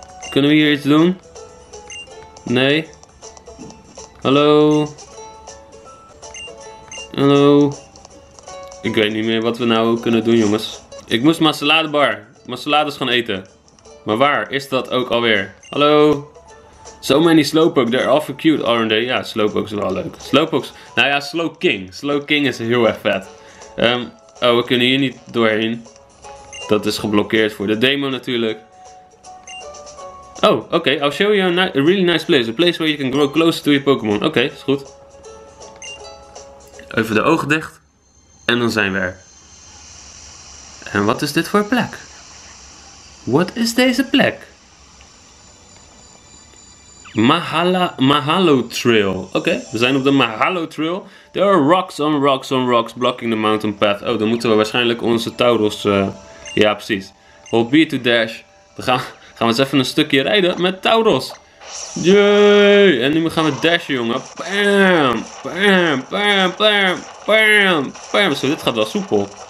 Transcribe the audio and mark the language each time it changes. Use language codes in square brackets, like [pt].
[nl] Kunnen we hier iets doen? Nee? Hallo? Hallo? Ik weet niet meer wat we nou kunnen doen, jongens. Ik moest Masaladebar. Masalades gaan eten. Maar waar is dat ook alweer? Hallo? [en] So many Slowpoke, they're awful cute, aren't they? [nl] Ja, Slowpoke is wel leuk. Slowpoke, nou ja, Slowking. Slowking is heel erg vet. Oh, we kunnen hier niet doorheen. Dat is geblokkeerd voor de demo natuurlijk. Oh, oké. Okay. [en] I'll show you a really nice place. A place where you can grow closer to your Pokémon. [nl] Oké, okay, is goed. Even de ogen dicht. En dan zijn we er. En wat is dit voor plek? Wat is deze plek? Mahalo Trail. Oké, okay, we zijn op de Mahalo Trail. [en] There are rocks on rocks on rocks blocking the mountain path. [nl] Oh, dan moeten we waarschijnlijk onze Tauros... ja, precies. [en] Hold B to dash. [nl] Gaan we eens even een stukje rijden met Tauros. Yay! En nu gaan we dashen, jongen. Bam! Bam! Bam! Bam! Bam! Bam! Zo, dit gaat wel soepel.